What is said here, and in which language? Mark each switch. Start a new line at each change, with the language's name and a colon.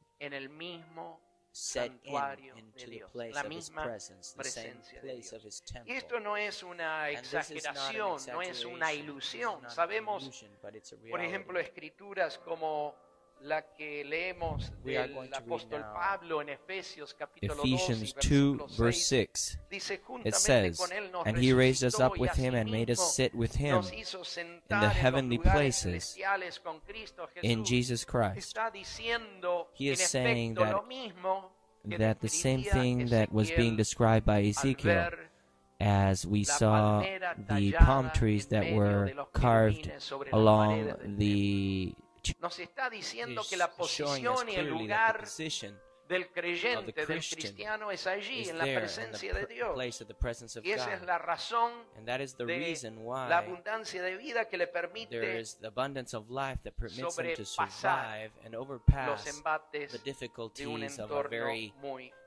Spanish: en el mismo santuario de Dios, la misma presencia de Dios.
English: Temple.
Spanish: Y esto no es una exageración, no es una ilusión. Sabemos, por ejemplo, escrituras como la que leemos del apóstol Pablo en Efesios capítulo 2 versículo 6, dice,
English: it says, and he raised us up with him and made us sit with him in the heavenly places in Jesus Christ. He is saying that the same thing that was being described by Ezekiel as we saw the palm trees that were carved along the
Spanish: nos está diciendo que la posición y el lugar del creyente, del cristiano, es allí, en la presencia de Dios. Y esa es la razón de la abundancia de vida que le permite sobrepasar los embates de un entorno muy